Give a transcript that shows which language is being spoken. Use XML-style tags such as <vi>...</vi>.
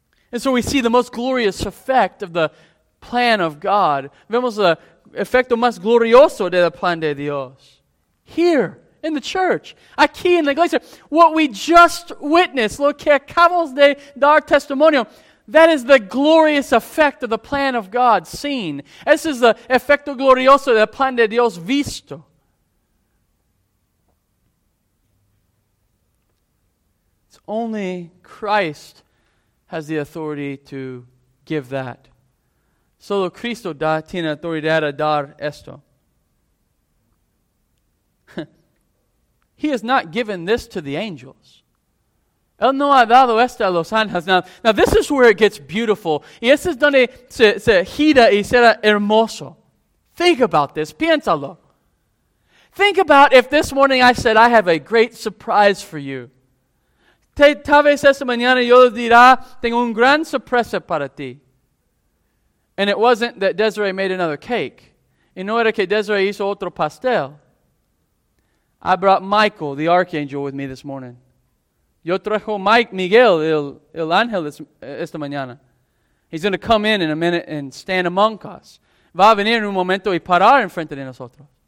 <en>And so we see the most glorious effect of the plan of God.</en> <es>Vemos el efecto más glorioso del plan de Dios.</es> <en>Here, in the church,</en> <es>aquí en la iglesia,</es> <en>what we just witnessed,</en> <es>lo que acabamos de dar testimonio,</es> <en>that is the glorious effect of the plan of God seen.</en> <es>Ese es el efecto glorioso del plan de Dios visto.</es> <en>It's only Christ has the authority to give that.</en> <es>Solo Cristo tiene autoridad a dar esto.</es> <en>He has not given this to the angels.</en> <es>Él no ha dado esto a los ángeles.</es> <en>Now, this is where it gets beautiful.</en> <es>Y esto es donde se gira y será hermoso.</es> <en>Think about this.</en> <es>Piénsalo.</es> <en>Think about if this morning I said, I have a great surprise for you.</en> <es>Tal vez esta mañana yo dirá, tengo un gran sorpresa para ti.</es> <en>And it wasn't that Desiree made another cake.</en> <es>Y no era que Desiree hizo otro pastel.</es> <en>I brought Michael, the archangel, with me this morning.</en> <es>Yo trajo Mike Miguel, el ángel, esta mañana.</es> <en>He's going to come in a minute and stand among us.</en> <es>Va a venir en un momento y parar en frente de nosotros.</es>